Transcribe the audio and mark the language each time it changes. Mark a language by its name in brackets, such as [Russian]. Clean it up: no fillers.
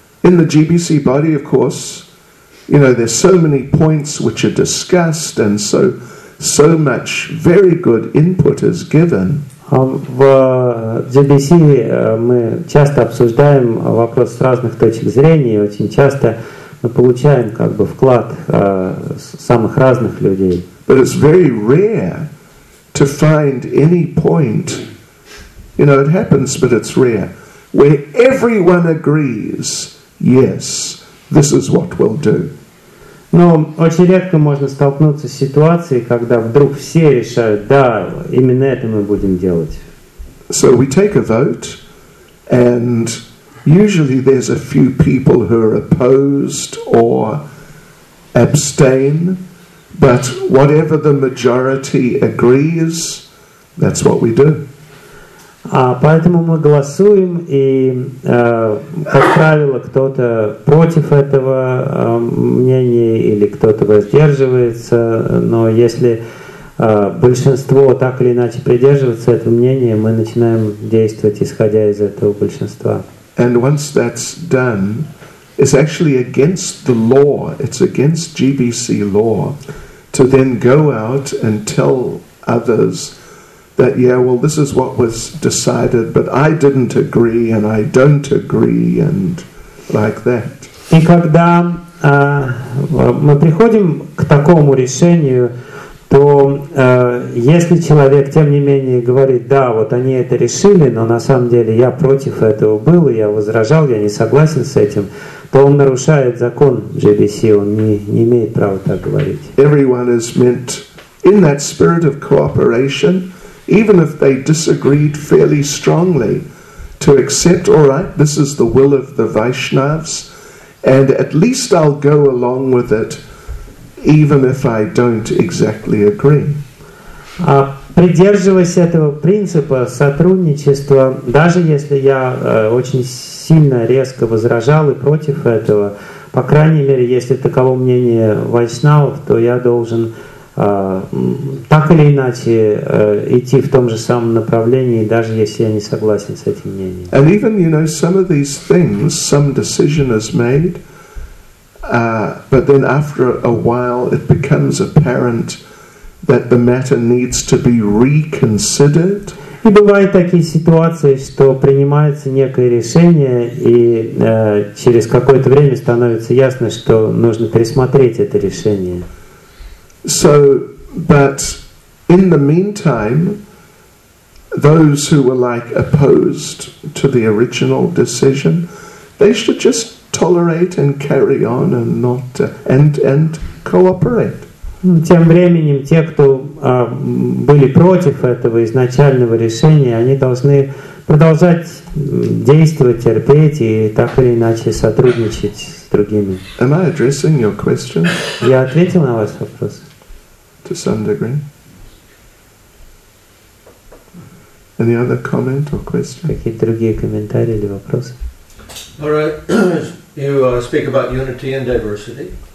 [English] In the GBC body, of course, there's so many points which are discussed, and so much very good input is given. [Russian] В GBC мы часто обсуждаем вопрос с разных точек зрения, и очень часто мы получаем вклад самых разных людей. [English] But it's very rare to find any point, it happens, but it's rare, where everyone agrees yes, this is what we'll do. [Russian] Но очень редко можно столкнуться с ситуацией, когда вдруг все решают, да, именно это мы будем делать. [English] So we take a vote, and usually there's a few people who are opposed or abstain, but whatever the majority agrees, that's what we do. [Russian] Поэтому мы голосуем, и, как правило, кто-то против этого мнения, или кто-то воздерживается, но если большинство так или иначе придерживается этого мнения, мы начинаем действовать, исходя из этого большинства. [English] And once that's done, it's actually against the law, it's against GBC law, to then go out and tell others that, yeah, well, this is what was decided, but I didn't agree, and I don't agree, and like that. [Russian] И когда мы приходим к такому решению, то если человек, тем не менее, говорит, да, вот они это решили, но на самом деле я против этого был, я возражал, я не согласен с этим, то он нарушает закон GBC, он не имеет права так говорить. [English] Everyone is meant in that spirit of cooperation, even if they disagreed fairly strongly, to accept, all right, this is the will of the Vaishnavs, and at least I'll go along with it, even if I don't exactly agree. [Russian] Придерживаясь этого принципа сотрудничества, даже если я очень сильно, резко возражал и против этого, по крайней мере, если таково мнение Вайшнавов, то я должен так или иначе идти в том же самом направлении, даже если я не согласен с этим мнением. [English] And even, you know, some of these things, some decision is made, but then after a while it becomes apparent that the matter needs to be reconsidered. [Russian] И бывают такие ситуации, что принимается некое решение, и через какое-то время становится ясно, что нужно пересмотреть это решение. [English] So, but in the meantime, those who were like opposed to the original decision, they should just tolerate and carry on and not and cooperate. [Russian] Тем временем те, кто были против этого изначального решения, они должны продолжать действовать, терпеть и так или иначе сотрудничать с другими. [English] Am I addressing your question? [Russian] Я ответил на ваш вопрос. [English] To some degree. Any other comment or question? [Russian] Какие другие комментарии или вопросы? [English] All right. You speak about unity and diversity.